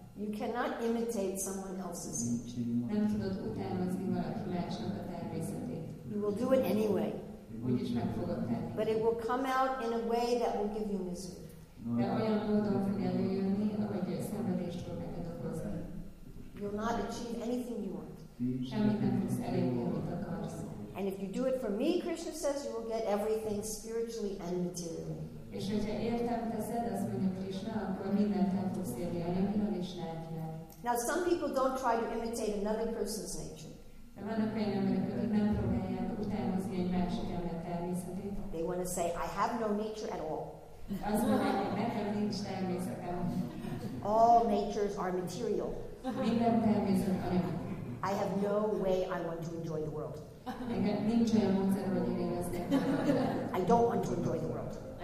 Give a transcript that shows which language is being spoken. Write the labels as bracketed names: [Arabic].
[English] You cannot imitate someone else's nature. [Hungarian] Nem tudod utánozni valaki másnak a természetét. [English] You will do it anyway. [Hungarian] Úgyis meg fogod tenni. [English] But it will come out in a way that will give you misery. [Hungarian] De olyan módon fog előjönni, ahogy szenvedést fog neked okozni. [English] You'll not achieve anything you want. [Hungarian] Semmit nem tudsz elérni, amit akarsz. [English] And if you do it for me, Krishna says, you will get everything spiritually and materially. [Hungarian] És hogyha értem teszed, azt mondja Krishna, akkor mindent nem fogsz érni, anyagilag és lelkileg. [English] Now some people don't try to imitate another person's nature. [Hungarian] De vannak olyan emberek, akik nem próbálják utánozni egy másik ember természetét. [English] They want to say, I have no nature at all. [Hungarian] Az van, hogy nekem nincs természetem. [English] All natures are material. [Hungarian] Minden természet anyagilag. [English] I have no way I want to enjoy the world. I don't want to enjoy the world.